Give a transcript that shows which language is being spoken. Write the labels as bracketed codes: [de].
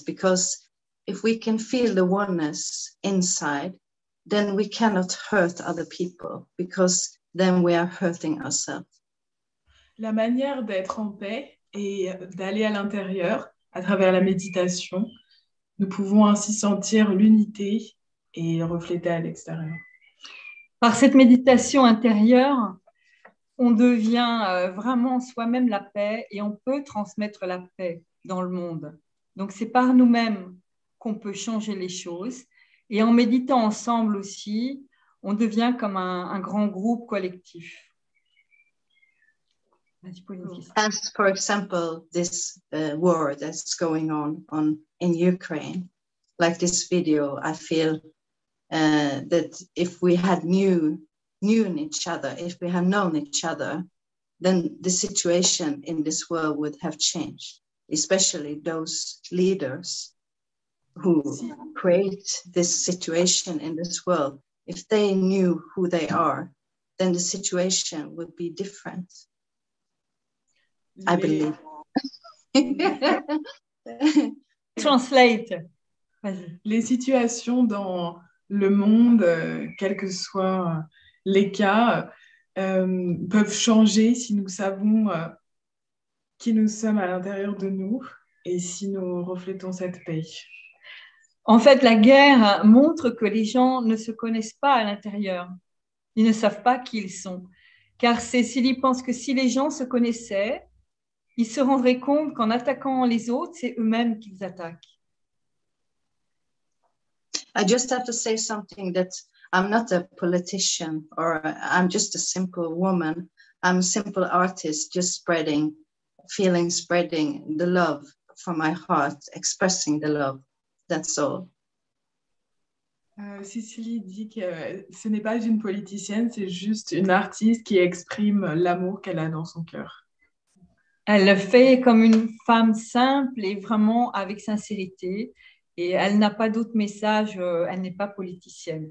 [en] Because if we can feel the oneness inside, then we cannot hurt other people, because then we are hurting ourselves. [fr] La manière d'être en paix et d'aller à l'intérieur à travers la méditation, nous pouvons ainsi sentir l'unité et refléter à l'extérieur. Par cette méditation intérieure, on devient vraiment soi-même la paix et on peut transmettre la paix dans le monde. Donc c'est par nous-mêmes qu'on peut changer les choses, et en méditant ensemble aussi, on devient comme un grand groupe collectif. [en] As for example, this war that's going on in Ukraine, like this video, I feel that if we had knew each other, if we had known each other, then the situation in this world would have changed, especially those leaders who create this situation in this world. If they knew who they are, then the situation would be different, I believe. Translate. [fr] Les situations dans le monde, quel que soit les cas, peuvent changer si nous savons qui nous sommes à l'intérieur de nous et si nous reflétons cette paix. En fait, la guerre montre que les gens ne se connaissent pas à l'intérieur. Ils ne savent pas qui ils sont. Car Cecilie pense que si les gens se connaissaient, ils se rendraient compte qu'en attaquant les autres, c'est eux-mêmes qu'ils attaquent. [en] I just have to say something, that I'm not a politician, or I'm just a simple woman. I'm a simple artist, just spreading the love from my heart, expressing the love. That's all. [fr] Cecilie dit que ce n'est pas une politicienne, c'est juste une artiste qui exprime l'amour qu'elle a dans son cœur. Elle le fait comme une femme simple et vraiment avec sincérité. Et elle n'a pas d'autre message, elle n'est pas politicienne.